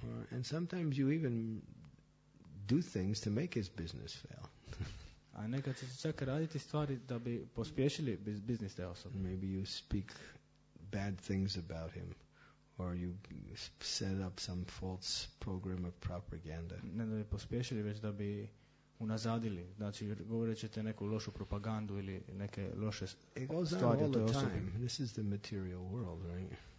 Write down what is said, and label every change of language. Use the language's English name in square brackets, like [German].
[English] And sometimes you even do things to make his business fail. [Croatian] A nekad se čak raditi stvari da bi pospješili biznis te osobe. [English] Maybe you speak bad things about him, or you set up some false program of propaganda. [Croatian] Ne da bi pospješili, već da bi unazadili. Znači, govorit ćete neku lošu propagandu ili neke loše stvari o toj osobi. [English] This is the material world, right?